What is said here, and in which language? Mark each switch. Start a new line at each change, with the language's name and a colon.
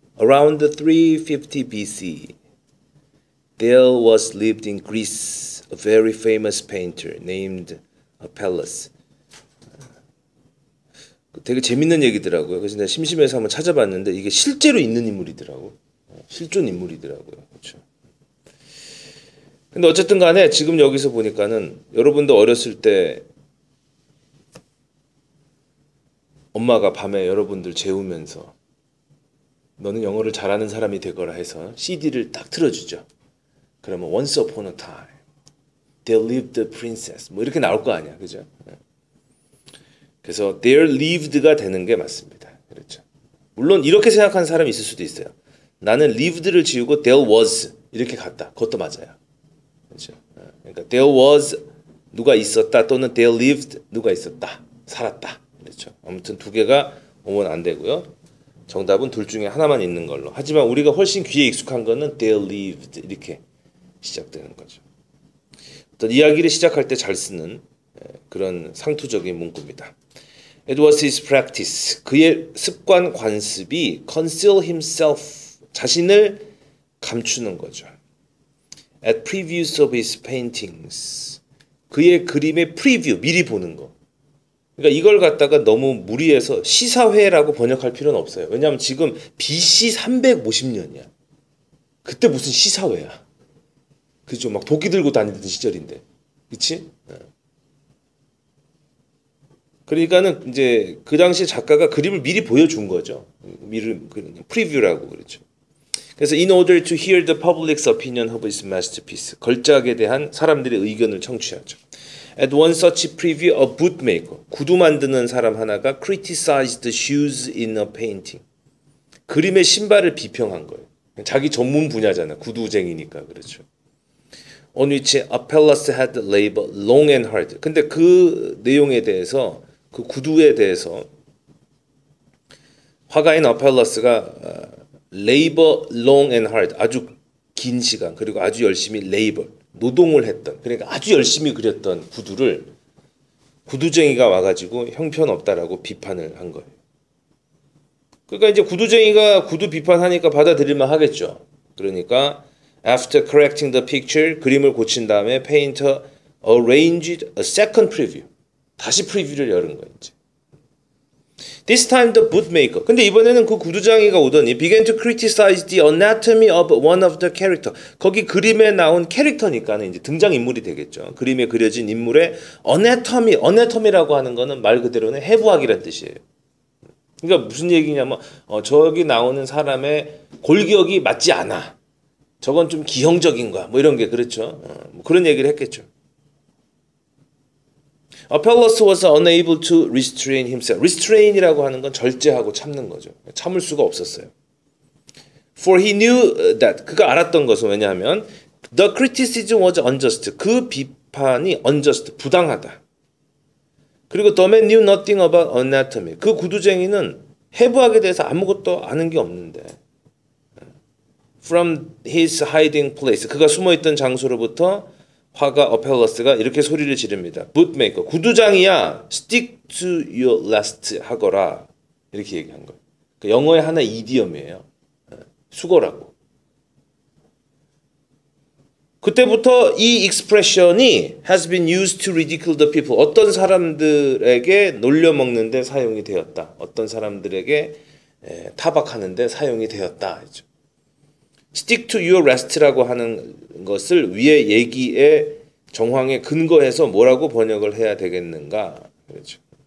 English: Around 350 BC, there was lived in Greece a very famous painter named Apelles.
Korean: 되게 재밌는 얘기더라고요. 그래서 내가 심심해서 한번 찾아봤는데 이게 실제로 있는 인물이더라고요. 실존 인물이더라고요. 그렇죠. 근데 어쨌든 간에 지금 여기서 보니까는 여러분도 어렸을 때 엄마가 밤에 여러분들 재우면서 너는 영어를 잘하는 사람이 되거라 해서 CD를 딱 틀어주죠.
English: 그러면 Once upon a time, there lived a princess.
Korean: 뭐 이렇게 나올 거 아니야. 그죠? 그래서
English: there lived
Korean: 가 되는 게 맞습니다. 그렇죠. 물론 이렇게 생각하는 사람이 있을 수도 있어요. 나는 lived를 지우고
English: there was
Korean: 이렇게 갔다. 그것도 맞아요. 그렇죠? 그러니까
English: there was
Korean: 누가 있었다 또는
English: there lived
Korean: 누가 있었다. 살았다. 그렇죠. 아무튼 두 개가 오면 안 되고요. 정답은 둘 중에 하나만 있는 걸로. 하지만 우리가 훨씬 귀에 익숙한 거는
English: there lived
Korean: 이렇게 시작되는 거죠. 어떤 이야기를 시작할 때잘 쓰는 그런 상투적인 문구입니다.
English: It was his practice.
Korean: 그의 습관 관습이
English: conceal himself
Korean: 자신을 감추는 거죠.
English: At previews of his paintings.
Korean: 그의 그림의 preview 미리 보는 거. 그러니까 이걸 갖다가 너무 무리해서 시사회라고 번역할 필요는 없어요. 왜냐하면 지금 BC 350년이야. 그때 무슨 시사회야. 그죠? 막 도끼 들고 다니던 시절인데. 그치? 그러니까는 이제 그 당시 작가가 그림을 미리 보여준 거죠. 미리, 프리뷰라고 그러죠.
English: 그래서 in order to hear the public's opinion of his masterpiece.
Korean: 걸작에 대한 사람들의 의견을 청취하죠.
English: At one such preview, a bootmaker,
Korean: 구두 만드는 사람 하나가
English: criticized the shoes in a painting.
Korean: 그림의 신발을 비평한 거예요. 자기 전문 분야잖아. 구두쟁이니까. 그렇죠.
English: On which Apelles had labored long and hard.
Korean: 근데 그 내용에 대해서, 그 구두에 대해서, 화가인 Apelles가
English: labor long and hard.
Korean: 아주 긴 시간, 그리고 아주 열심히 labor. 노동을 했던, 그러니까 아주 열심히 그렸던 구두를 구두쟁이가 와가지고 형편없다라고 비판을 한 거예요. 그러니까 이제 구두쟁이가 구두 비판하니까 받아들일만 하겠죠.
English: 그러니까, after correcting the picture,
Korean: 그림을 고친 다음에
English: painter arranged a second preview.
Korean: 다시 preview를 열은 거예요, 이제.
English: This time the bootmaker.
Korean: 근데 이번에는 그 구두쟁이가 오더니
English: began to criticize the anatomy of one of the character.
Korean: 거기 그림에 나온 캐릭터니까는 이제 등장인물이 되겠죠. 그림에 그려진 인물의 anatomy. anatomy라고 하는 거는 말 그대로는 해부학이란 뜻이에요. 그러니까 무슨 얘기냐면 저기 나오는 사람의 골격이 맞지 않아. 저건 좀 기형적인 거야. 뭐 이런 게 그렇죠. 뭐 그런 얘기를 했겠죠.
English: Apelles was unable to restrain himself.
Korean: Restrain이라고 하는 건 절제하고 참는 거죠. 참을 수가 없었어요.
English: For he knew that.
Korean: 그가 알았던 것은 왜냐하면
English: The criticism was unjust.
Korean: 그 비판이 unjust, 부당하다.
English: 그리고 The man knew nothing about anatomy.
Korean: 그 구두쟁이는 해부학에 대해서 아무것도 아는 게 없는데.
English: From his hiding place.
Korean: 그가 숨어있던 장소로부터 화가 어펠러스가 이렇게 소리를 지릅니다. 부트메이커, 구두장이야.
English: Stick to your last 하거라.
Korean: 이렇게 얘기한 거예요. 그 영어의 하나 이디엄이에요. 수거라고. 그때부터 이 익스프레션이
English: has been used to ridicule the people.
Korean: 어떤 사람들에게 놀려먹는데 사용이 되었다. 어떤 사람들에게 타박하는데 사용이 되었다. 그렇죠.
English: Stick to your last
Korean: 라고 하는 것을 위에 얘기에 정황에 근거해서 뭐라고 번역을 해야 되겠는가? 그렇죠.